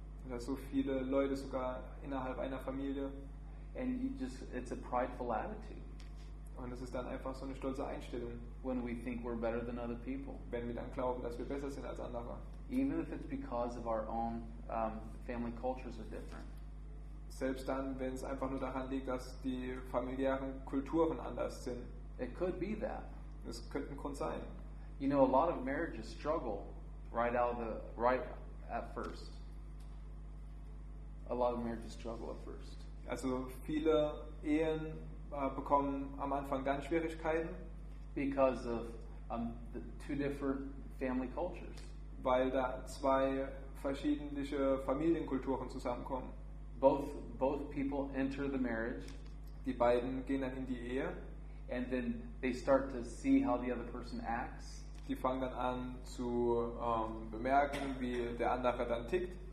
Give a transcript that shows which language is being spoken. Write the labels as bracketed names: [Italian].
[German] Oder so viele Leute sogar innerhalb einer Familie. [English] And you just, it's a prideful attitude. [German] Und es ist dann einfach so eine stolze Einstellung. [English] When we think we're better than other people. [German] Wenn wir dann glauben, dass wir besser sind als andere. [English] Even if it's because of our own family cultures are different. [German] Selbst dann, wenn es einfach nur daran liegt, dass die familiären Kulturen anders sind. [English] It could be that. [German] Es könnte ein Grund sein. [English] You know, a lot of marriages struggle right at first. A lot of marriages struggle at first. [German] Also viele Ehen bekommen am Anfang ganz Schwierigkeiten. [English] Because of the two different family cultures. [German] Weil da zwei verschiedene Familienkulturen zusammenkommen. [English] Both people enter the marriage. [German] Die beiden gehen dann in die Ehe. [English] And then they start to see how the other person acts. [German] Die fangen dann an zu bemerken, wie der andere dann tickt.